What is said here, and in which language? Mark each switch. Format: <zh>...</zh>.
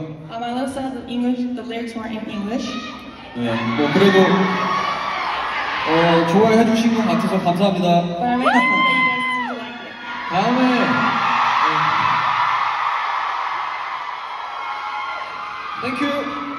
<en>I love that the English, the lyrics weren't in English.</en> <ko>네, 그래도 좋아해 주신 것 같아서 감사합니다.</ko> <en>But I'm happy that you guys seem to like it.</en>